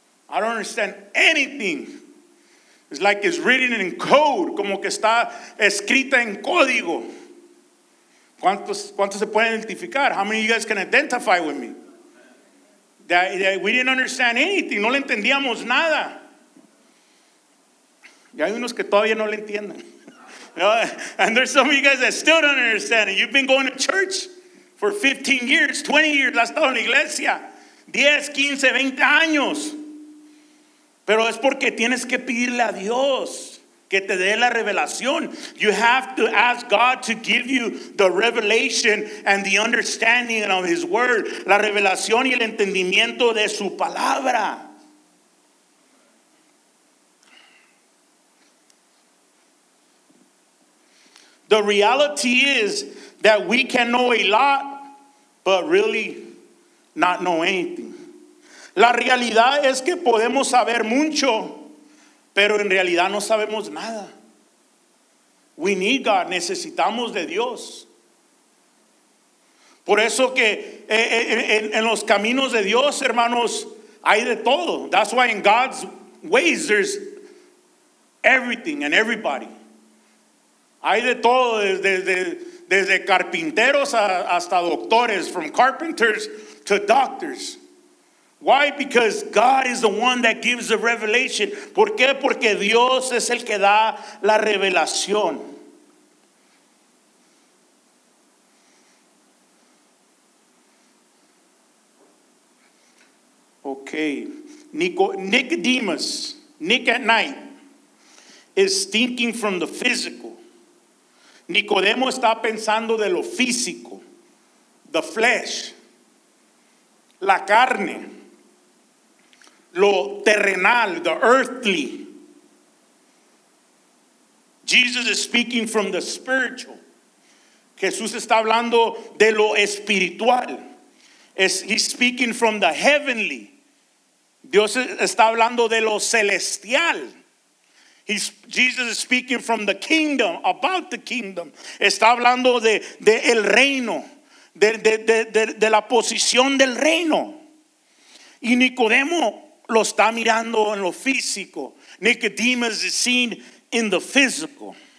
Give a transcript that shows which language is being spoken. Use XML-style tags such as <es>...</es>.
<en>I don't understand anything. It's like it's written in code,</en> <es>como que está escrita en código. ¿Cuántos se pueden identificar?</es> <en>How many of you guys can identify with me? That we didn't understand anything,</en> <es>no le entendíamos nada. Y hay unos que todavía no le entienden.</es> <en>And there's some of you guys that still don't understand it. You've been going to church for 15 years, 20 years,</en> <es>has estado en la iglesia. 10, 15, 20 años. Pero es porque tienes que pedirle a Dios que te dé la revelación.</es> <en>You have to ask God to give you the revelation and the understanding of his word.</en> <es>La revelación y el entendimiento de su palabra.</es> <en>The reality is that we can know a lot, but really not know anything.</en> <es>La realidad es que podemos saber mucho, pero en realidad no sabemos nada.</es> <en>We need God,</en> <es>necesitamos de Dios. Por eso que en los caminos de Dios, hermanos, hay de todo.</es> <en>That's why in God's ways there's everything and everybody.</en> <es>Hay de todo, desde carpinteros hasta doctores,</es> <en>from carpenters to doctors. Why? Because God is the one that gives the revelation.</en> <es>¿Por qué? Porque Dios es el que da la revelación.</es> <en>Okay. Nicodemus, Nick at night, is thinking from the physical.</en> <es>Nicodemo está pensando de lo físico.</es> <en>The flesh.</en> <es>La carne. Lo terrenal,</es> <en>the earthly. Jesus is speaking from the spiritual.</en> <es>Jesús está hablando de lo espiritual.</es> <en>He's speaking from the heavenly.</en> <es>Dios está hablando de lo celestial.</es> <en>Jesus is speaking from the kingdom, about the kingdom.</en> <es>Está hablando de el reino, de la posición del reino. Y Nicodemo lo está mirando en lo físico.</es> <en>Nicodemus is seen in the physical.</en>